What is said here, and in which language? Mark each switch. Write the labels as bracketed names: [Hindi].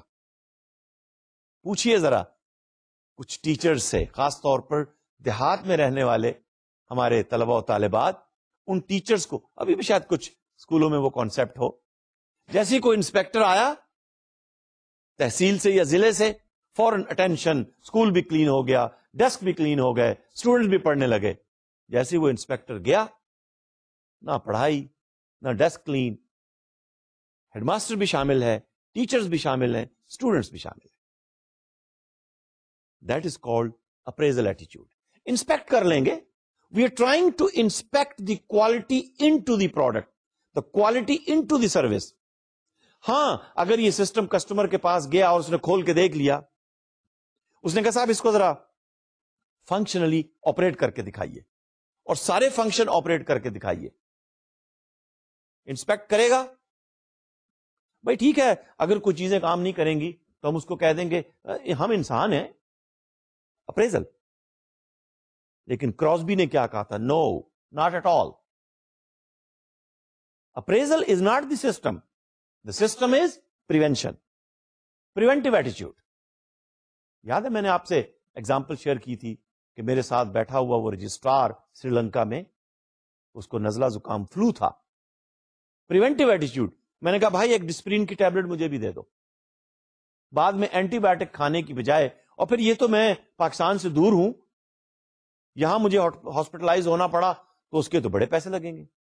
[Urdu] پوچھئے ذرا کچھ ٹیچر سے، خاص طور پر دیہات میں رہنے والے ہمارے طلبا و طالبات، ان ٹیچرز کو ابھی بھی شاید کچھ اسکولوں میں وہ کانسیپٹ ہو، جیسے کوئی انسپیکٹر آیا تحصیل سے یا ضلع سے، فوراً اٹینشن، اسکول بھی کلین ہو گیا، ڈیسک بھی کلین ہو گئے، اسٹوڈنٹ بھی پڑھنے لگے. جیسے وہ انسپیکٹر گیا، نہ پڑھائی نہ ڈیسک کلین، ہیڈ ماسٹر بھی شامل ہے، ٹیچرز بھی شامل ہیں، اسٹوڈنٹس بھی شامل ہیں. [English] That is called appraisal ایٹیچیوڈ. [Urdu] Inspect کر لیں گے، [English] We are trying to inspect the quality into the product, the quality into the service. [Urdu] ہاں اگر یہ سسٹم کسٹمر کے پاس گیا اور اس نے کھول کے دیکھ لیا، اس نے کہا صاحب اس کو ذرا فنکشنلی آپریٹ کر کے دکھائیے، اور سارے فنکشن آپریٹ کر کے دکھائیے، انسپیکٹ کرے گا بھائی؟ ٹھیک ہے اگر کچھ چیزیں کام نہیں کریں گی تو ہم اس کو کہہ دیں گے ہم انسان ہیں. اپریزل. لیکن کراسبی نے کیا کہا تھا؟ [English] Know, not at all. Appraisal is not the system, the system is prevention, preventive ایٹیچیوڈ. [Urdu] یاد ہے میں نے آپ سے ایگزامپل شیئر کی تھی کہ میرے ساتھ بیٹھا ہوا وہ رجسٹرار سری لنکا میں، اس کو نزلہ زکام فلو تھا. پریونٹیو ایٹیچیوڈ، میں نے کہا بھائی ایک ڈسپرین کی ٹیبلٹ مجھے بھی دے دو، بعد میں اینٹی بایوٹک کھانے کی بجائے، اور پھر یہ تو میں پاکستان سے دور ہوں، یہاں مجھے ہاسپٹلائز ہونا پڑا تو اس کے تو بڑے پیسے لگیں گے.